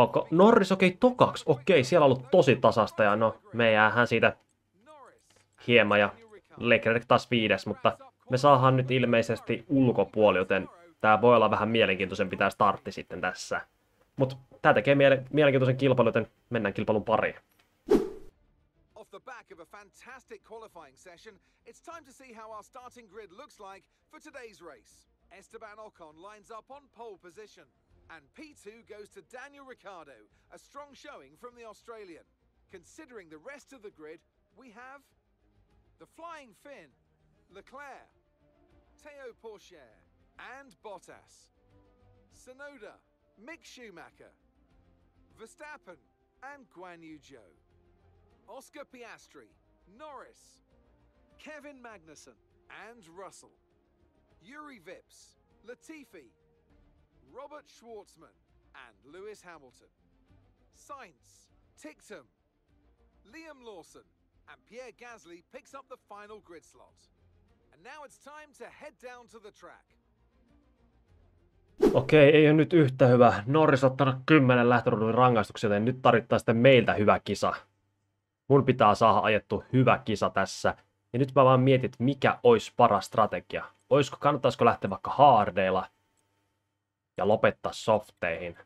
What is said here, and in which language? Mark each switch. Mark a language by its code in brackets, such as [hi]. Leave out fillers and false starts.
[fi] Norris, okei, tokaks. Okei, siellä on ollut tosi tasasta ja no, me jäähän siitä hieman ja Leclerc taas viides, mutta me saadaan nyt ilmeisesti ulkopuoli, joten tää voi olla vähän mielenkiintoisempi tää startti sitten tässä. Mut tää tekee mielenkiintoisen kilpailun, joten mennään kilpailun pariin. [en] Off the back of a fantastic qualifying session, it's time to see how our starting grid looks like for today's race. Esteban Ocon lines up on pole position and P2 goes to Daniel Ricciardo, a strong showing from the Australian. Considering the rest of the grid, we have the flying Finn, Leclerc, Teo Pourchaire and Bottas. Tsunoda, Mick Schumacher, Verstappen and Guan Yu Zhou, Oscar Piastri, Norris, Kevin Magnussen and Russell, Yuri Vips, Latifi, Robert Schwartzman and Lewis Hamilton, Sainz, Tictum, Liam Lawson and Pierre Gasly picks up the final grid slot. And now it's time to head down to the track. [fi] Okei, ei ole nyt yhtä hyvä. Norris ottanut 10 lähtöruudun rangaistuksia, joten nyt tarvittaa sitten meiltä hyvä kisa. Mun pitää saada ajettu hyvä kisa tässä. Ja nyt mä vaan mietin, että mikä olisi paras strategia. Kannattaisiko lähteä vaikka hardeilla ja lopettaa softeihin?